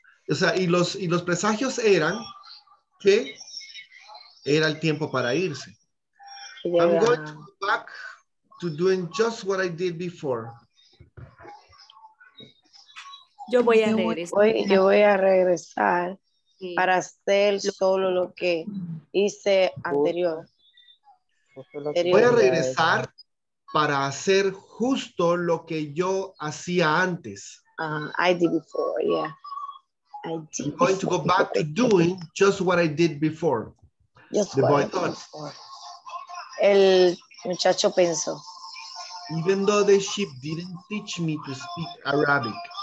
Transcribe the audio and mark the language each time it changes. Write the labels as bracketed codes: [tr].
[es] O sea, y los presagios eran que era el tiempo para irse. [en] Yeah. I'm going to go back to doing just what I did before. [es] Yo voy a regresar sí, para hacer solo lo que hice anterior. Voy a regresar para hacer justo lo que yo hacía antes. [en] I did before, yeah. I did. I'm going to go back to doing just what I did before. Just the boy thought. [es] El muchacho pensó. [en] Even though the sheep didn't teach me to speak Arabic.